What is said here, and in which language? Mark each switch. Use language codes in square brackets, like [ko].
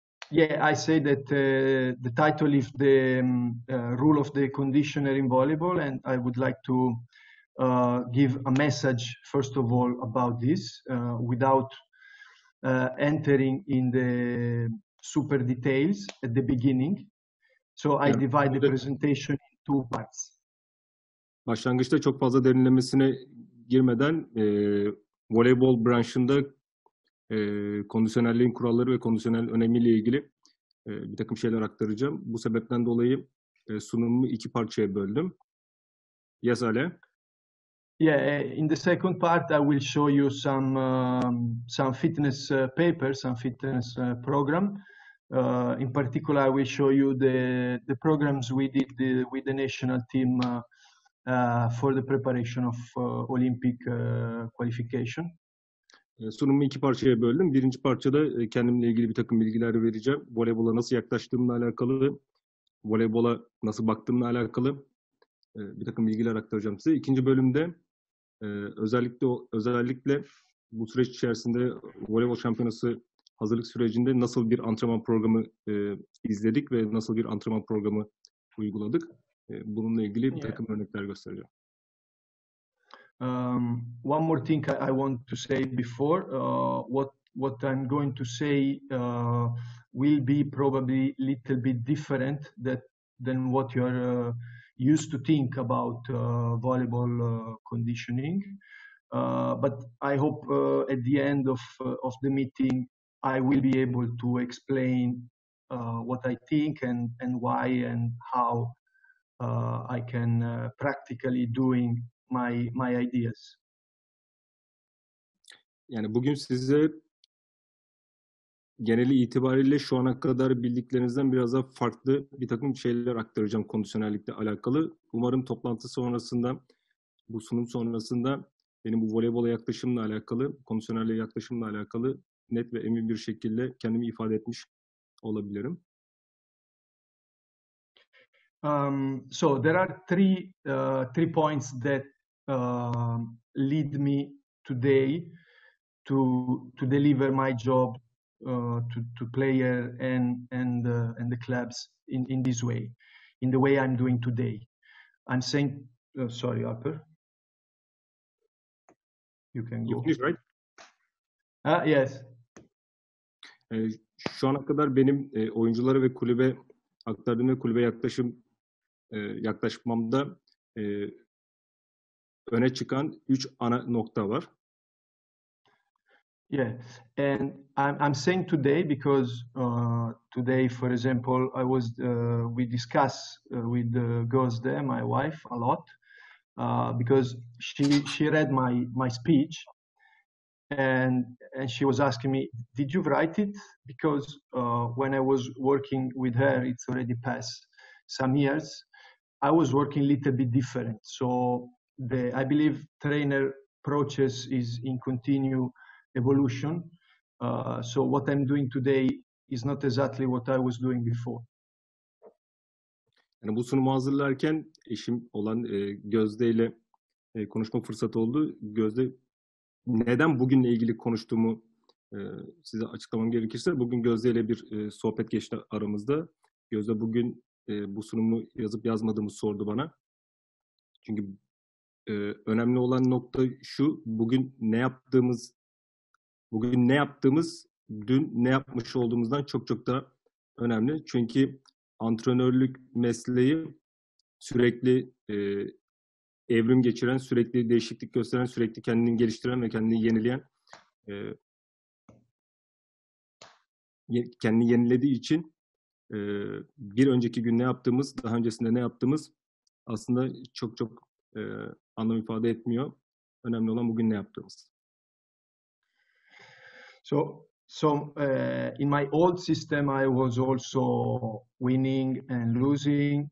[en] Yeah, I say that the title is the rule of the conditioner in volleyball, and I would like to give a message first of all about this without entering in the super details at the beginning. So I divide the presentation in two parts. [tr] Başlangıçta çok fazla derinlemesine girmeden voleybol branşında kondisyonerliğin kuralları ve kondisyonel önemiyle ilgili bir takım şeyler aktaracağım. Bu sebepten dolayı sunumumu iki parçaya böldüm. [en] Yes, [tr] Ale. [en] Yeah, in the second part, I will show you some fitness papers, some fitness program. In particular, I will show you the programs we did with the national team for the preparation of Olympic qualification. [tr] Sunumu iki parçaya böldüm. Birinci parçada kendimle ilgili bir takım bilgiler vereceğim. Voleybola nasıl yaklaştığımla alakalı, voleybola nasıl baktığımla alakalı bir takım bilgiler aktaracağım size. İkinci bölümde özellikle bu süreç içerisinde voleybol şampiyonası hazırlık sürecinde nasıl bir antrenman programı izledik ve nasıl bir antrenman programı uyguladık. Bununla ilgili bir takım örnekler göstereceğim. [en] One more thing I want to say before what I'm going to say will be probably a little bit different than what you're used to think about volleyball conditioning. But I hope at the end of the meeting I will be able to explain what I think and why and how I can practically doing my ideas. [tr] Yani bugün size genel itibariyle şu ana kadar bildiklerinizden biraz daha farklı bir takım şeyler aktaracağım kondisyonellikle alakalı. Umarım toplantı sonrasında, bu sunum sonrasında benim bu voleybola yaklaşımla alakalı, kondisyonelle yaklaşımla alakalı net ve emin bir şekilde kendimi ifade etmiş olabilirim. [en] So there are three points that lead me today to deliver my job to player and the clubs in this way, in the way I'm doing today. I'm saying sorry, Harper. You can go. You're right. Yes. [tr] Şu ana kadar benim oyunculara ve kulübe aktardığım ve kulübe yaklaşmamda öne çıkan 3 ana nokta var. [en] Yeah, and I'm saying today because today, for example, I was we discuss with Gözde, my wife, a lot because she read my speech. And she was asking me, did you write it? Because when I was working with her, it's already past some years, I was working a little bit different. So I believe trainer process is in continue evolution. So what I'm doing today is not exactly what I was doing before. [tr] Yani bu sunumu hazırlarken eşim olan Gözde ile konuşma fırsatı oldu. Gözde, neden bugünle ilgili konuştuğumu size açıklamam gerekirse, bugün Gözde ile bir sohbet geçti aramızda. Gözde bugün bu sunumu yazıp yazmadığımı sordu bana. Çünkü önemli olan nokta şu, bugün ne yaptığımız dün ne yapmış olduğumuzdan çok çok daha önemli. Çünkü antrenörlük mesleği sürekli evrim geçiren, sürekli değişiklik gösteren, sürekli kendini geliştiren ve kendini yenilediği için bir önceki gün ne yaptığımız, daha öncesinde ne yaptığımız aslında çok çok anlam ifade etmiyor. Önemli olan bugün ne yaptığımız. [en] In my old system I was also winning and losing.